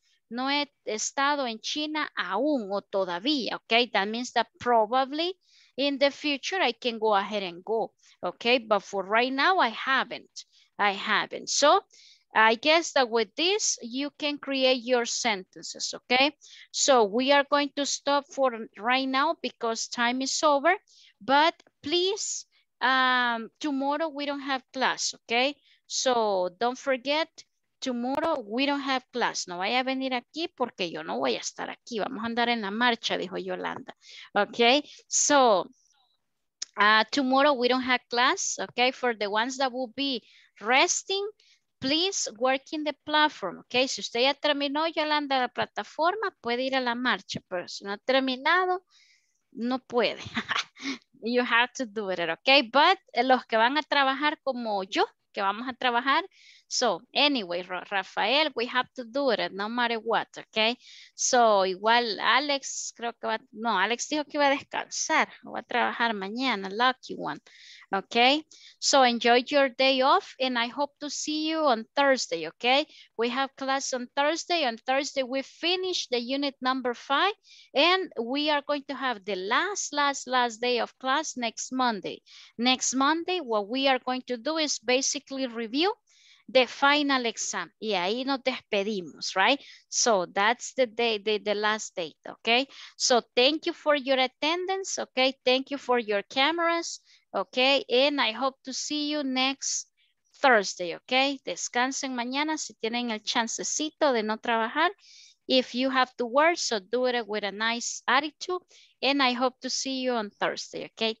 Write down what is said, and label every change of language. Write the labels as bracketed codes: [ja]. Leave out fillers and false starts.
[es] No he estado en China aún o todavía, okay? [en] That means that probably in the future I can go ahead and go, okay? But for right now, I haven't. So I guess that with this, you can create your sentences, okay? So we are going to stop for right now because time is over, but please, tomorrow we don't have class, okay? So don't forget, tomorrow we don't have class. [es] No vaya a venir aquí porque yo no voy a estar aquí. Vamos a andar en la marcha, dijo Yolanda, okay? [en] So tomorrow we don't have class, okay? For the ones that will be resting, please work in the platform, okay? [es] Si usted ya terminó, Yolanda, la plataforma, puede ir a la marcha, pero si no ha terminado, no puede. [en] You have to do it, okay? But [es] los que van a trabajar como yo, que vamos a trabajar, [en] So anyway, Rafael, we have to do it no matter what, okay? [es] So igual Alex, creo que va, no, Alex dijo que iba a descansar, va a trabajar mañana, [en] lucky one, okay? So enjoy your day off and I hope to see you on Thursday, okay? We have class on Thursday. On Thursday, we finish the unit number 5 and we are going to have the last day of class next Monday. Next Monday, what we are going to do is basically review the final exam, [es] y ahí nos despedimos, [en] right? So that's the day, the last date, okay? So thank you for your attendance, okay? Thank you for your cameras, okay? And I hope to see you next Thursday, okay? [es] Descansen mañana si tienen el chancecito de no trabajar. [en] If you have to work, so do it with a nice attitude. And I hope to see you on Thursday, okay?